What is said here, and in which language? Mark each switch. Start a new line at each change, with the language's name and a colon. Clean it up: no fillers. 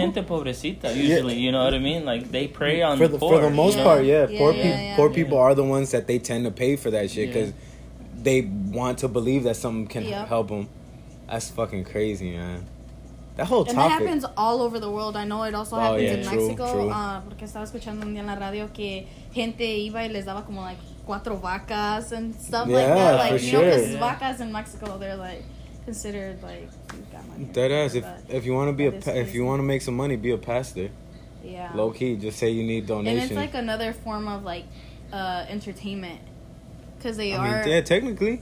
Spanish: Son gente pobrecita,
English: usually, you know what I mean? Like, they prey on for the poor. For the most part, poor people are the ones that they tend to pay for that shit, because they want to believe that something can help them. That's fucking crazy, man. That whole topic. And that happens all over the world. I know it also happens in Mexico.
Spanish: Porque estaba escuchando un día en la radio que gente iba y les daba como, like, cuatro vacas
English: and stuff like that. For you know, because vacas in Mexico, they're, like, considered, like, you've got money. Deadass. If you want to be if you want to make some money, be a pastor. Yeah. Low key, just say you need donations. And it's, like, another form of, like, entertainment. Because they technically.